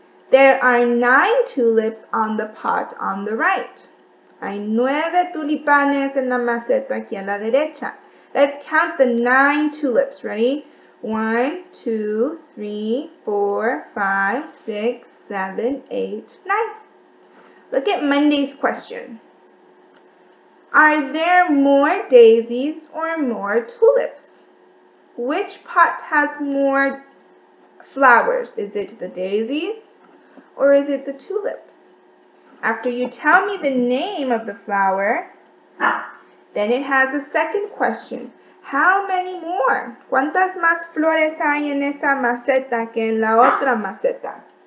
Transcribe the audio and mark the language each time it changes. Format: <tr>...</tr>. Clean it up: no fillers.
<en>There are 9 tulips on the pot on the right.</en> <es>Hay 9 tulipanes en la maceta aquí a la derecha.</es> <en>Let's count the 9 tulips. Ready? 1, 2, 3, 4, 5, 6, 7, 8, 9. Look at Monday's question. Are there more daisies or more tulips? Which pot has more flowers? Is it the daisies or is it the tulips? After you tell me the name of the flower, then it has a second question. How many more?</en> <es>¿Cuántas más flores hay en esa maceta que en la otra maceta?</es>